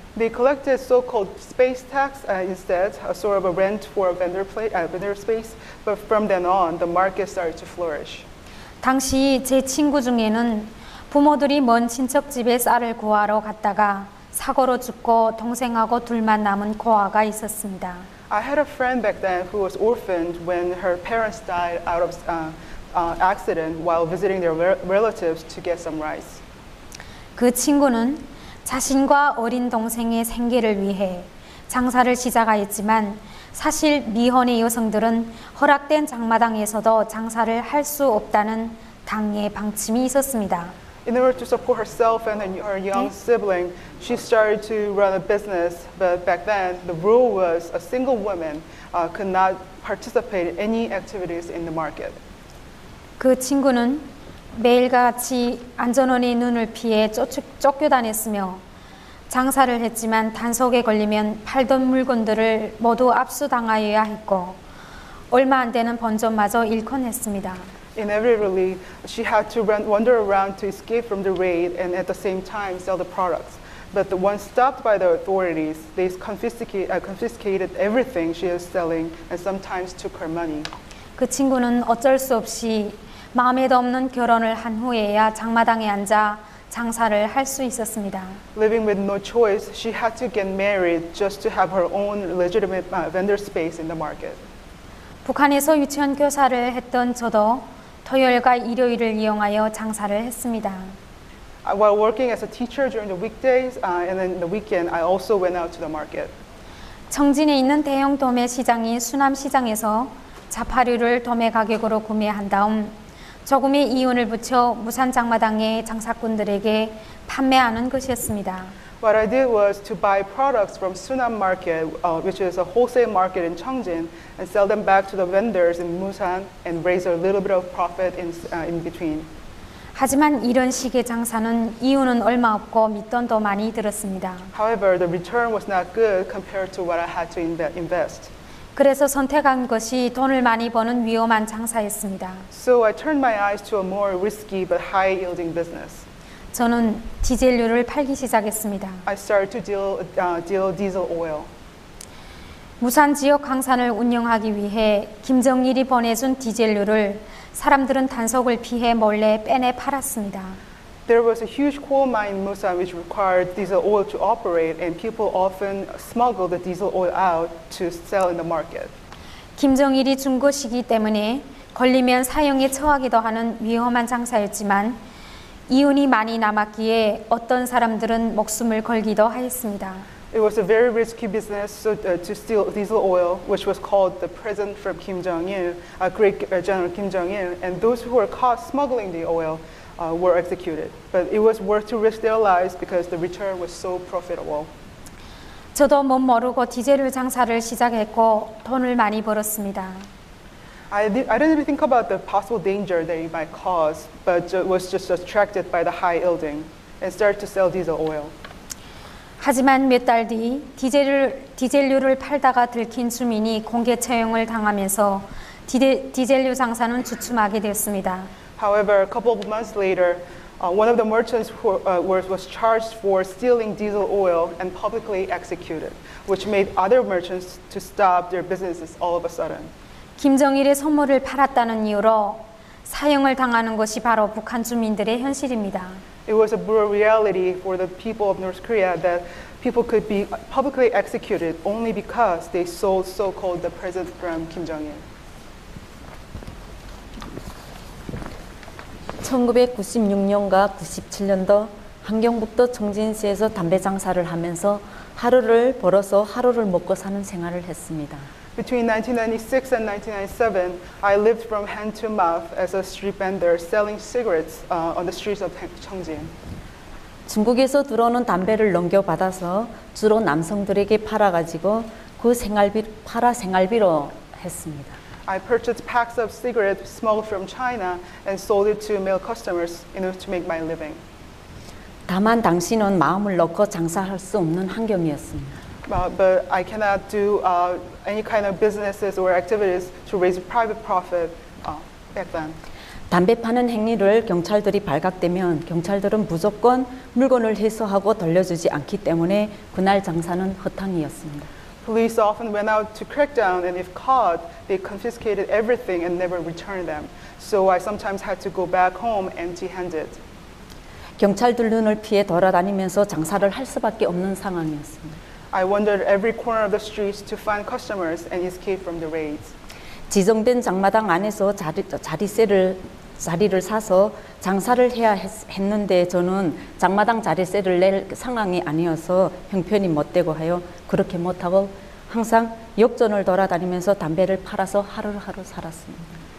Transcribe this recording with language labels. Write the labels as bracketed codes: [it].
[en] They collected so-called space tax instead, a sort of a rent for a vendor space, but from then on, the market started to flourish. [ko] 당시 제 친구 중에는 부모들이 먼 친척 집에 쌀을 구하러 갔다가 사고로 죽고 동생하고 둘만 남은 고아가 있었습니다. [en] I had a friend back then who was orphaned when her parents died out of accident while visiting their relatives to get some rice. [ko] 그 친구는 자신과 어린 동생의 생계를 위해 장사를 시작하였지만 사실 미혼의 여성들은 허락된 장마당에서도 장사를 할 수 없다는 당의 방침이 있었습니다. [en] In order to support herself and her young sibling, she started to run a business. But back then, the rule was a single woman could not participate in any activities in the market. [ko] 그 친구는 매일같이 안전원의 눈을 피해 쫓겨다녔으며 장사를 했지만 단속에 걸리면 팔던 물건들을 모두 압수당하여야 했고 얼마 안 되는 번전마저 잃곤 했습니다. [en] In every rally, she had to wander around to escape from the raid and at the same time sell the products. But the one stopped by the authorities, they confiscated everything she was selling and sometimes took her money. [ko] 그 친구는 어쩔 수 없이 마음에도 없는 결혼을 한 후에야 장마당에 앉아 장사를 할 수 있었습니다. [en] Living with no choice, she had to get married just to have her own legitimate vendor space in the market. [ko] 북한에서 유치원 교사를 했던 저도 토요일과 일요일을 이용하여 장사를 했습니다. [en] While working as a teacher during the weekdays and then the weekend, I also went out to the market. [ko] 청진에 있는 대형 도매 시장인 수남시장에서 자파류를 도매 가격으로 구매한 다음 조금의 이윤을 붙여 무산 장마당의 장사꾼들에게 판매하는 것이었습니다. [en] What I did was to buy products from Sunam Market, which is a wholesale market in Cheongjin, and sell them back to the vendors in Musan and raise a little bit of profit in between. [ko] 하지만 이런 식의 장사는 이윤은 얼마 없고 밑돈도 많이 들었습니다. [en] However, the return was not good compared to what I had to invest. [ko] 그래서 선택한 것이 돈을 많이 버는 위험한 장사였습니다. [en] So I turned my eyes to a more risky but high-yielding business. [ko] 저는 디젤유를 팔기 시작했습니다. [en] I started to deal diesel oil. [ko] 무산 지역 광산을 운영하기 위해 김정일이 보내준 디젤유를 사람들은 단속을 피해 몰래 빼내 팔았습니다. [en] There was a huge coal mine in Musan which required diesel oil to operate, and people often smuggled the diesel oil out to sell in the market. [ko] 김정일이 준 것이기 때문에 걸리면 사형에 처하기도 하는 위험한 장사였지만 이윤이 많이 남았기에 어떤 사람들은 목숨을 걸기도 하였습니다. [en] It was a very risky business to steal diesel oil, which was called the present from Kim Jong-il, great general Kim Jong-il, and those who were caught smuggling the oil were executed. But it was worth to risk their lives because the return was so profitable. [ko] 저도 못 모르고 디젤 장사를 시작했고 돈을 많이 벌었습니다. [en] I didn't even think about the possible danger that it might cause, but was just attracted by the high yielding and started to sell diesel oil. [ko] 하지만 몇 달 뒤 디젤유를 팔다가 들킨 주민이 공개 처형을 당하면서 디젤유 장사는 주춤하게 되었습니다. [en] However, a couple of months later, one of the merchants was charged for stealing diesel oil and publicly executed, which made other merchants to stop their businesses all of a sudden. [ko] 김정일의 선물을 팔았다는 이유로 사형을 당하는 것이 바로 북한 주민들의 현실입니다. [en] It was a brutal reality for the people of North Korea that people could be publicly executed only because they sold so-called the presents from Kim Jong-il. [ko] 1996년과 97년도 함경북도 청진시에서 담배 장사를 하면서 하루를 벌어서 하루를 먹고 사는 생활을 했습니다. [en] Between 1996 and 1997, I lived from hand to mouth as a street vendor selling cigarettes on the streets of Chongjin. [ko] 중국에서 들어오는 담배를 넘겨받아서 주로 남성들에게 팔아가지고 그 생활비 팔아 생활비로 했습니다. [en] I purchased packs of cigarettes smuggled from China and sold it to male customers in order to make my living. [ko] 다만 당신은 마음을 넣고 장사할 수 없는 환경이었습니다. [en] But I cannot do any kind of businesses or activities to raise private profit back then. [ko] 담배 파는 행위를 경찰들이 발각되면 경찰들은 무조건 물건을 회수하고 돌려주지 않기 때문에 그날 장사는 허탕이었습니다. [en] Police often went out to crack down, and if caught, they confiscated everything and never returned them. So I sometimes had to go back home empty-handed. [ko] 경찰들 눈을 피해 돌아다니면서 장사를 할 수밖에 없는 상황이었습니다. [en] I wandered every corner of the streets to find customers and escape from the raids. [ko] 지정된 장마당 안에서 자리를 사서 장사를 해야 했는데 저는 장마당 자리세를 낼 상황이 아니어서 형편이 못되고 하여 그렇게 못하고 항상 역전을 돌아다니면서 담배를 팔아서 하루하루 살았습니다.